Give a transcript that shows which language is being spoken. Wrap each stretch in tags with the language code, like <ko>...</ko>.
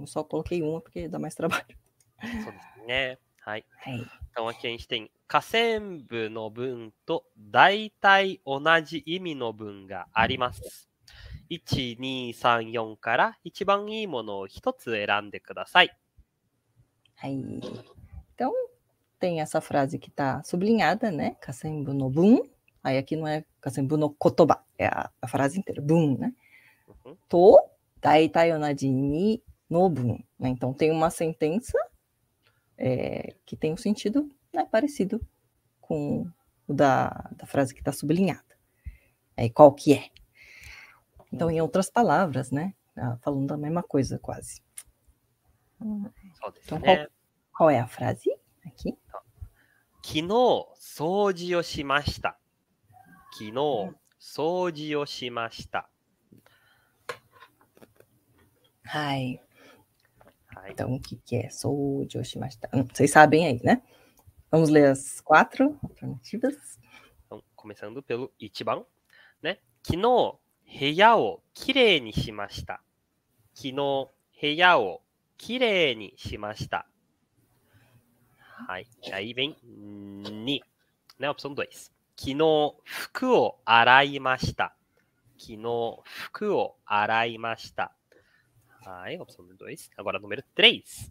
<pt>Eu só coloquei uma porque dá mais trabalho. Né?</pt> <ja>はい。</ja> <pt>Aí. Então aqui a gente tem</pt> <ja>下線部の文と大体同じ意味の文があります。</ja> <pt>1、2、3、4から一番いいものを一つ選んでください。 Aí. Então, tem essa frase que está sublinhada, né?</pt> <ja>Kasenbu no bun.</ja> <pt>Aí aqui não é</pt> <ja>Kasenbu no kotoba,</ja> <pt>é a frase inteira, bun, né?</pt> <ja>To, daitai onaji ni no bun.</ja> <pt>Né? Então, tem uma sentença que tem um sentido, né, parecido com o da frase que está sublinhada. Aí, qual que é? Então, em outras palavras, né? Falando da mesma coisa, quase.</pt> <ja>そうです</ja> <pt>Então, qual</pt> <ja>ね。</ja> <pt>É a frase aqui?</pt> <ja>昨日掃除をしました。昨日掃除をしました。</ja> <pt>Ai.</pt> <ja>はい。</ja> <pt>Então, o que que é? Sou de Oshimashita. Vocês sabem aí, né? Vamos ler as quatro alternativas. Então, começando pelo</pt> <ja>一番ね。昨日部屋をきれいにしました。昨日部屋をきれいにしました。はい。</ja> <pt>Aí vem 2, né? Opção 2.</pt> <ja>昨日服を洗いました。昨日服を洗いました。はい。</ja> <pt>Opção 2. Agora, número 3.</pt>